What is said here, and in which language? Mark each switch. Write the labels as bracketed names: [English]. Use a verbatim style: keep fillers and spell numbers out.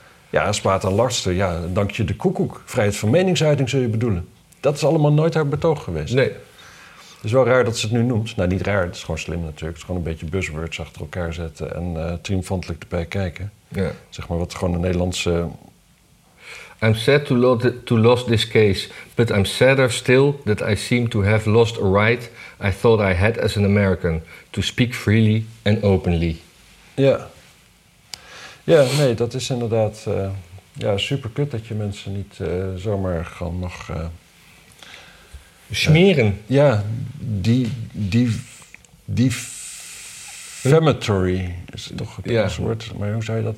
[Dutch] Ja, smaad en laster, ja, dank je de koekoek. Vrijheid van meningsuiting zul je bedoelen. Dat is allemaal nooit haar betoog geweest. Nee. Het is wel raar dat ze het nu noemt. Nou, niet raar, het is gewoon slim natuurlijk. Het is gewoon een beetje buzzwords achter elkaar zetten en uh, triomfantelijk erbij kijken. Ja. Zeg maar wat gewoon de Nederlandse... [English] I'm sad to, lo- to lose this case, but I'm sadder still that I seem to have lost a right I thought I had as an American to speak freely and openly. [Dutch] Ja. Ja, nee, dat is inderdaad uh, ja, super kut dat je mensen niet uh, zomaar gewoon nog... Uh, Smeren. Uh, ja, die... die, die Defamatory is het toch het ja. woord, maar hoe zou je dat...